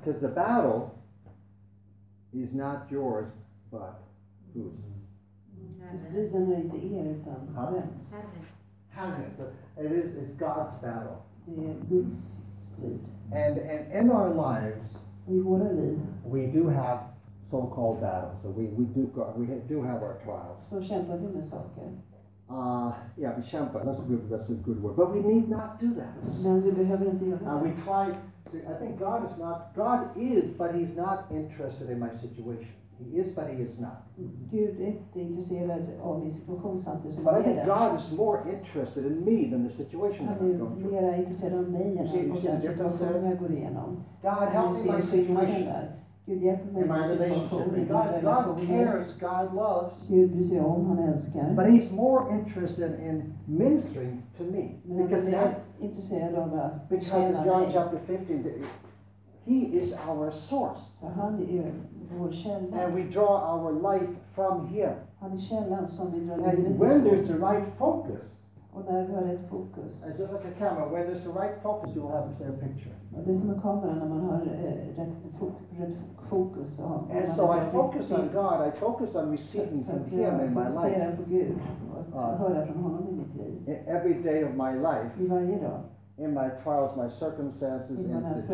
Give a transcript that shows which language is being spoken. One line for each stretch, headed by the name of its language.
English: Because the battle is not yours, but whose?
Swedish: För striden är inte er utan Herrens. Herrens.
English: It's God's battle.
Swedish: Det är Guds strid.
English: And in our lives,
Swedish: i våra liv,
English: we do have so-called battles. So we do have our trials.
Swedish: Så kämpar vi med saker. Vi kämpar.
English: That's a good word. But we need not do that.
Swedish: Men vi behöver inte göra det.
English: We try. I think God is, but he's not interested in my situation. He is, but he is not.
Swedish: Gud är inte intresserad av min situation samtidigt som jag är.
English: But I think God is more interested in me than the situation that I'm going through.
Swedish: Han är mer intresserad av mig än den situation jag går igenom.
English: God helps my situation.
Swedish: Gud hjälper mig med situationen.
English: God cares, God loves.
Swedish: Gud bryr sig om, han älskar.
English: But he's more interested in ministering to me.
Swedish: Men han är mer intresserad av att
English: because of John chapter 15, he is our source.
Swedish: Han är vår källa.
English: And we draw our life from him.
Swedish: Han är källan som vi drar livet ifrån.
English: When there's the right focus.
Swedish: Och när du har rätt fokus.
English: I just like a camera, where there's the right focus, you will have a clear picture.
Swedish: Och det är som en kamera när man har rätt fokus. Så
English: and so I focus on God, I focus on receiving from him in my life.
Swedish: Så att jag fokuserar på Gud och höra från honom i mitt liv.
English: Every day of my life.
Swedish: I varje dag.
English: In my trials, my circumstances, in and the